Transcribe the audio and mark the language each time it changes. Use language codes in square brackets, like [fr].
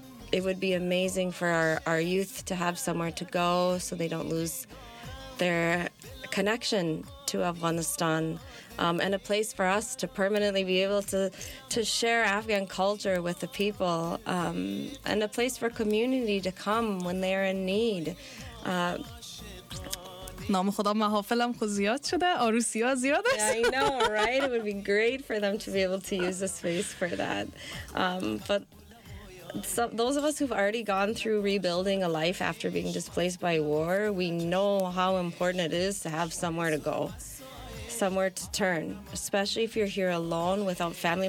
[en] It would be amazing for our youth to have somewhere to go so they don't lose their connection to Afghanistan. And a place for us to permanently be able to share Afghan culture with the people, and a place for community to come when they are in need. [fa] نام خدا محافلم خو زیاد شده عروسی ها زیاد است. [en] I know, right? It would be great for them to be able to use the space for that. But some, those of us who've already gone through rebuilding a life after being displaced by war, we know how important it is to have somewhere to go. Somewhere to turn, especially if you're here alone without family.